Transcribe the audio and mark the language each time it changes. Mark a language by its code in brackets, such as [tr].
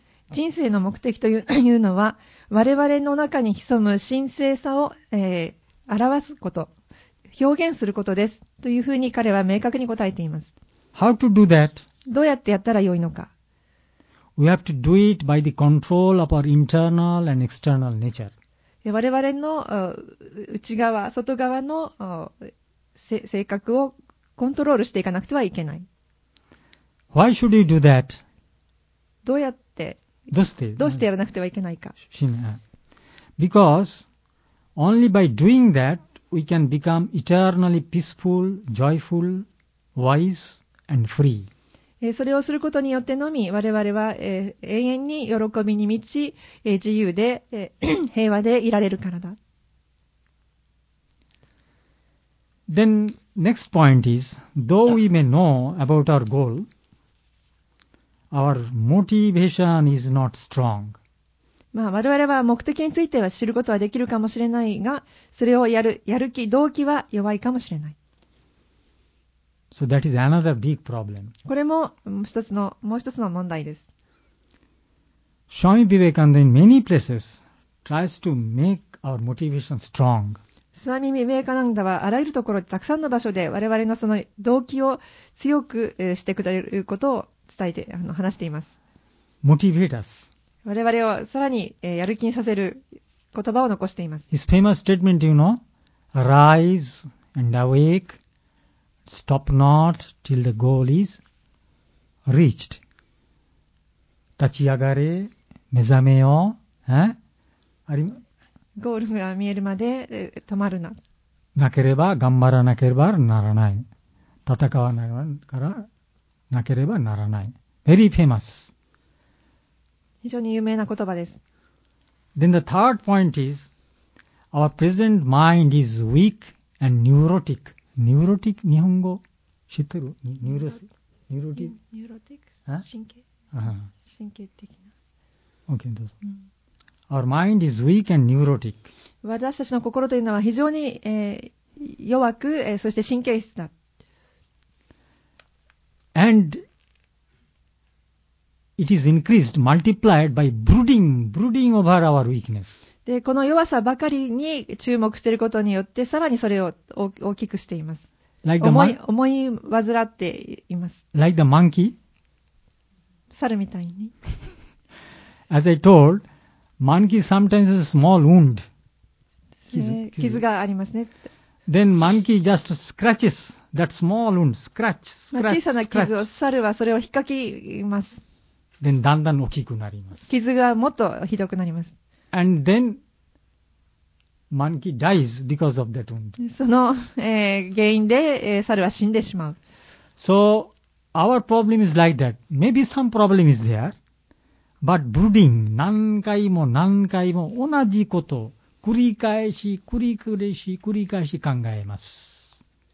[ja] 人生の目的というのは、我々の中に潜む神聖さを、表すこと、表現することですというふうに彼は明確に答えています。 [en] How to do that? [ja] どうやってやったらよいのか。 [en] We have to do it by the control of our internal and external nature. [ja] 我々の内側、外側の性格をコントロールしていかなくてはいけない。 [en] Why should you do that? [ja] どうやって、どうしてやらなくてはいけないか。 [en] Because only by doing that, we can become eternally peaceful, joyful, wise and free. [ja] それをすることによってのみ我々は、永遠に喜びに満ち、自由で、平和でいられるからだ。 [en] Then next point is, though we may know about our goal, our motivation is not strong. [ja] まあ我々は目的については知ることはできるかもしれないが、それをやる気、動機は弱いかもしれない。 [en] So、that is another big problem. [ja] これも一つの問題です。 [en] Swami Vivekananda in many places tries to make our motivation strong. [ja] Swami Vivekananda はあらゆるところでたくさんの場所で我々のその動機を強くしてくれることを伝えて話しています。 [en] Motivate us. [ja] 我々をさらにやる気にさせる言葉を残しています。 [en] His famous statement, you know, arise and awake. Stop not till the goal is reached. [ja] 立ち上がれ、目覚めよ、ゴールが見えるまで止まるな。なければ、頑張らなければならない。戦わないからなければならない。 [en] Very famous. [ja] 非常に有名な言葉です。 [en] Then the third point is, our present mind is weak and neurotic. [ja] ニューロティック、日本語知ってる？ニューロティック、神経的な。 [en] OK、どうぞ。Our mind is weak and neurotic. [ja] 私たちの心というのは非常に、弱く、そして神経質だ。 And it is increased, multiplied by brooding over our weakness. でこの弱さばかりに注目していることによって、さらにそれを大きくしています。思い煩っています。 [en] Like the monkey? [ja] 猿みたいに。 [en] As I told, monkey sometimes has a small wound. [ja] 傷がありますね。 [en] Then monkey just scratches that small wound. Scratch. [ja] 小さな傷を、猿はそれを引っかきます。 Then だんだん大きくなります。傷がもっとひどくなります。 [en] And then monkey dies because of that wound. [ja] その、原因で、猿は死んでしまう。 [en] So our problem is like that. Maybe some problem is there, but brooding [ja] 何回も何回も同じこと繰り返し考えます。